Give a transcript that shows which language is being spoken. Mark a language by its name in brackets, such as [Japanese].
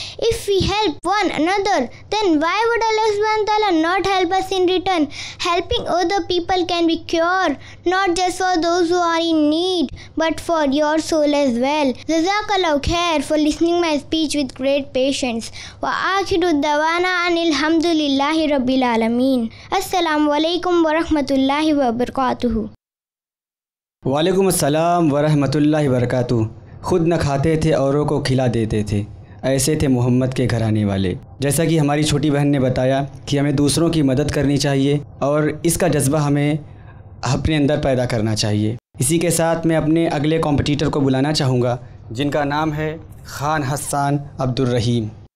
[English] If we help one another, then why would Allah subhanahu wa ta'ala not help us in return? Helping other people can be cure, not just for those who are in need, but for your soul as well. Jazakallahu khair for listening my speech with great patience. [Arabic] Wa akhiru dawana anil hamdu لله رب العالمين السلام عليكم ورحمة الله وبركاته وعليكم السلام ورحمة الله وبركاته [Urdu] خود نہ کھاتے تھے اوروں کو کھلا دیتے تھے ایسے تھے محمد کے گھرانے والے جیسا کہ ہماری چھوٹی بہن نے بتایا کہ ہمیں دوسروں کی مدد کرنی چاہیے اور اس کا جذبہ ہمیں اپنے اندر پیدا کرنا چاہیے اسی کے ساتھ میں اپنے اگلے کمپٹیٹر کو بلانا چاہوں گا جن کا نام ہے خان حسان عبد الرحیم